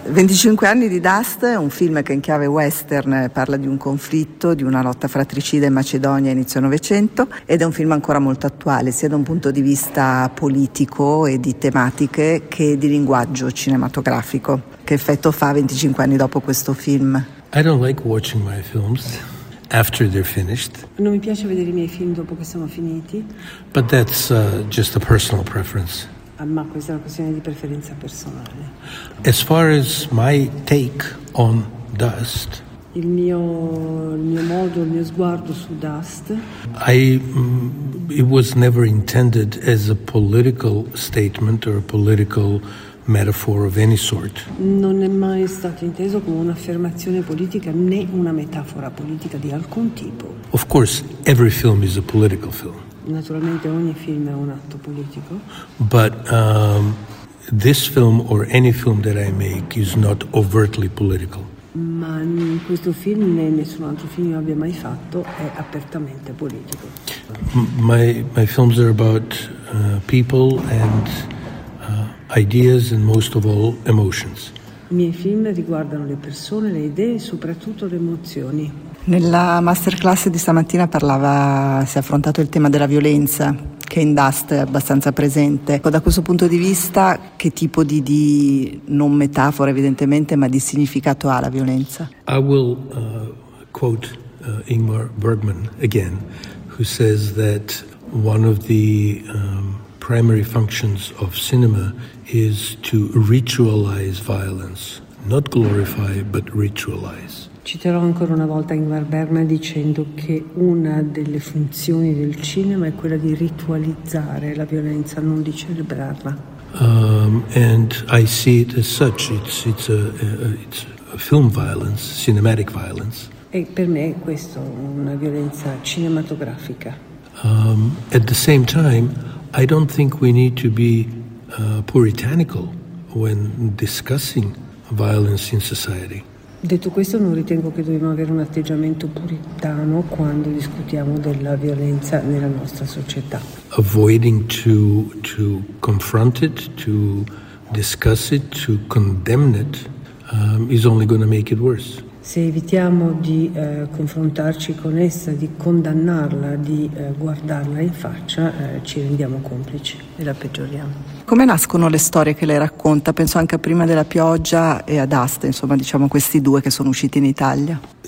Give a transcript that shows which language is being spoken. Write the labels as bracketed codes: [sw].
[it] 25 anni di Dust è un film che in chiave western parla di un conflitto, di una lotta fratricida in Macedonia inizio Novecento, ed è un film ancora molto attuale sia da un punto di vista politico e di tematiche che di linguaggio cinematografico. Che effetto fa 25 anni dopo questo film? [en] I don't like watching my films after they're finished. [it] Non mi piace vedere i miei film dopo che sono finiti. [en] But that's just a personal preference. [it] Ma questa è una questione di preferenza personale. [en] As far as my take on Dust, [it] il mio modo, il mio sguardo su Dust, [en] it was never intended as a political statement or a political metaphor of any sort. [it] Non è mai stato inteso come un'affermazione politica né una metafora politica di alcun tipo. [en] Of course, every film is a political film. [it] Naturalmente ogni film è un atto politico. [en] But this film or any film that I make is not overtly political. [it] Ma questo film, né nessun altro film che abbia mai fatto, è apertamente politico. [en] My films are about people and ideas and most of all emotions. [it] I miei film riguardano le persone, le idee e soprattutto le emozioni. Nella masterclass di stamattina si è affrontato il tema della violenza, che in Dust è abbastanza presente. Da questo punto di vista, che tipo di non metafora evidentemente, ma di significato ha la violenza? [en] I will quote Ingmar Bergman again, who says that one of the primary functions of cinema is to ritualize violence, not glorify, but ritualize. [it] Citerò ancora una volta Ingmar Bergman dicendo che una delle funzioni del cinema è quella di ritualizzare la violenza, non di celebrarla. [en] And I see it as such. It's a film violence, cinematic violence. [it] E per me questo è una violenza cinematografica. [en] At the same time, I don't think we need to be puritanical when discussing violence in society. [it] Detto questo, non ritengo che dobbiamo avere un atteggiamento puritano quando discutiamo della violenza nella nostra società. [en] Avoiding to confront it, to discuss it, to condemn it, is only going to make it worse. [it] Se evitiamo di confrontarci con essa, di condannarla, di guardarla in faccia, ci rendiamo complici e la peggioriamo. Come nascono le storie che lei racconta? Penso anche a Prima della pioggia e a Dust, insomma, diciamo questi due che sono usciti in Italia.